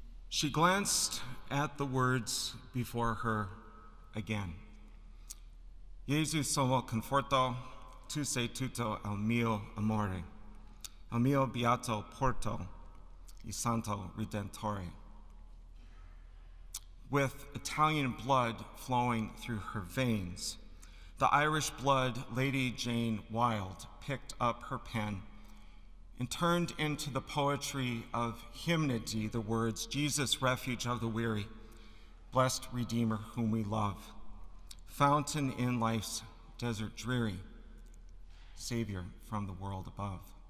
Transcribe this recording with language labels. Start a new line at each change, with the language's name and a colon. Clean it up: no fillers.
English: She glanced at the words before her again.
Italian: Jesus somo conforto, tu sei tutto il mio amore, il mio beato porto, il santo redentore.
English: With Italian blood flowing through her veins, the Irish blood Lady Jane Wilde picked up her pen and turned into the poetry of hymnody the words, Jesus, refuge of the weary, blessed Redeemer whom we love, fountain in life's desert dreary, Savior from the world above.